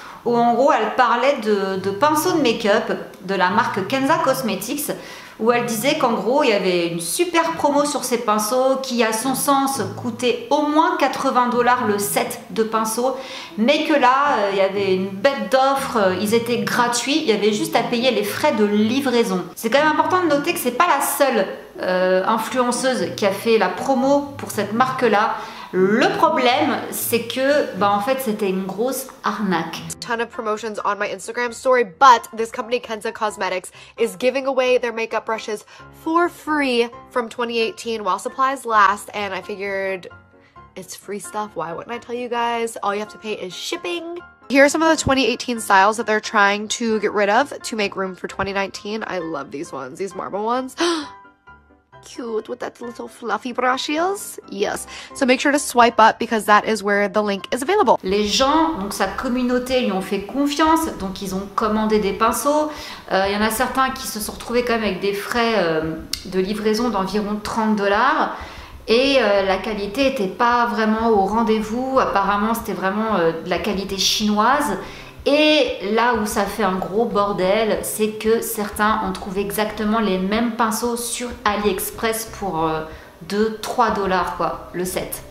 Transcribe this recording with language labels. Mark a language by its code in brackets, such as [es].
[fr] où en gros elle parlait de pinceaux de make-up de la marque Kenza Cosmetics, où elle disait qu'en gros il y avait une super promo sur ces pinceaux qui à son sens coûtait au moins 80$ le set de pinceaux, mais que là il y avait une bête d'offres, ils étaient gratuits, il y avait juste à payer les frais de livraison. C'est quand même important de noter que c'est pas la seule influenceuse qui a fait la promo pour cette marque là. Le problème, c'est que, bah en fait, c'était une grosse arnaque. [en] Ton of promotions on my Instagram story, but this company Kenza Cosmetics is giving away their makeup brushes for free from 2018 while supplies last, and I figured it's free stuff, why wouldn't I tell you guys? All you have to pay is shipping. Here are some of the 2018 styles that they're trying to get rid of to make room for 2019. I love these ones, these marble ones. Cute with that little fluffy brush heels. Yes. So make sure to swipe up because that is where the link is available. [fr] Les gens, donc sa communauté, lui ont fait confiance, donc ils ont commandé des pinceaux. Il y en a certains qui se sont retrouvés quand même avec des frais de livraison d'environ 30$. Et la qualité n'était pas vraiment au rendez-vous. Apparemment, c'était vraiment de la qualité chinoise. Et là où ça fait un gros bordel, c'est que certains ont trouvé exactement les mêmes pinceaux sur AliExpress pour 2-3$ quoi, le set.